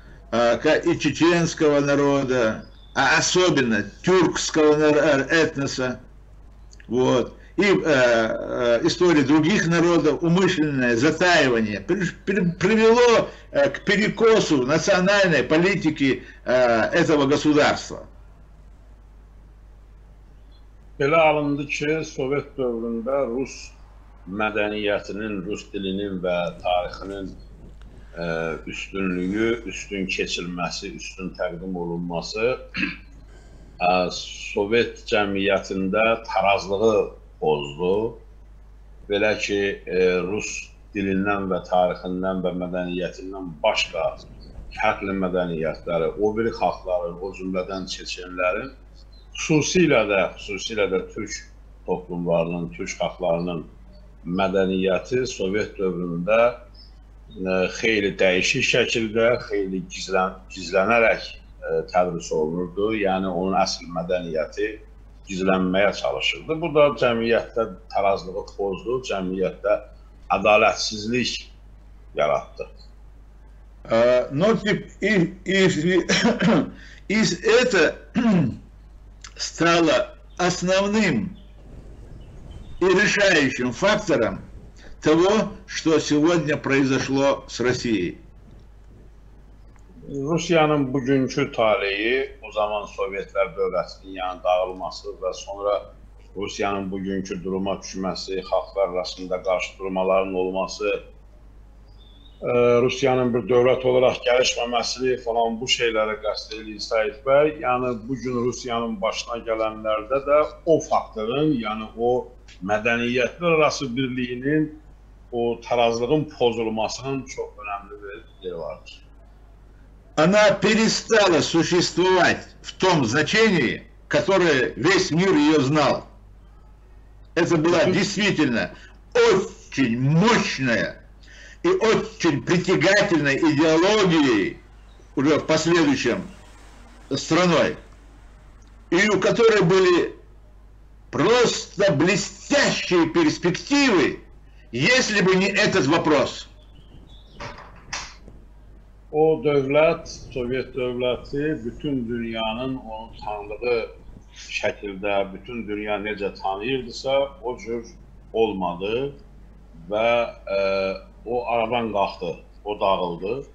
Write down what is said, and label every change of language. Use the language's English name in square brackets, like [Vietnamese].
[Russian] как и чеченского народа, а особенно тюркского этноса, вот, и истории других народов, умышленное затаивание привело к перекосу национальной политики этого государства. [Azerbaijani] Belə alındı ki, Sovet dövründə Rus mədəniyyətinin, Rus dilinin və tarixinin üstünlüyü, üstün keçilməsi, üstün təqdim olunması Sovet cəmiyyətində tarazlığı bozdu. Belə ki, Rus dilindən və tarixindən və mədəniyyətindən başqa fərqli mədəniyyətləri, o biri xalqların, o cümlədən çeçenlərin xüsusilə də türk toplumlarının, türk xalqlarının mədəniyyəti Sovet dövründə xeyli dəyişik şəkildə, xeyli gizlənərək tədris olunurdu. Yəni, onun əsl mədəniyyəti gizlənməyə çalışırdı. Bu da cəmiyyətdə tarazlığı pozdu, cəmiyyətdə ədalətsizlik yarattı. [Russian] Но это стало основным и решающим фактором того, что сегодня произошло с Россией. [Azerbaijani] Rusiyanın bugünkü taleyi, o zaman Sovyetlər dövlətinin yani dağılması və sonra Rusiyanın bugünkü duruma düşməsi, xalqlar arasında qarşı durmaların olması, Rusiyanın bir dövlət olaraq gəlişməməsi falan bu şeyləri qəsd edir Sait bəy. Yəni bugün Rusiyanın başına gələnlərdə də o faktorun, yəni o mədəniyyətlər arası birliyinin, o tarazlığın pozulmasının çox önəmli bir yeri vardır. [Russian] Она перестала существовать в том значении, которое весь мир ее знал. Это была действительно очень мощная и очень притягательная идеологией уже в последующем страной, и у которой были просто блестящие перспективы, если бы не этот вопрос. [Azerbaijani] O dövlət, Sovyet dövləti bütün dünyanın onu tanıdığı şəkildə, bütün dünya necə tanıyırdısa, o cür olmadı və o aradan qalxdı, o dağıldı.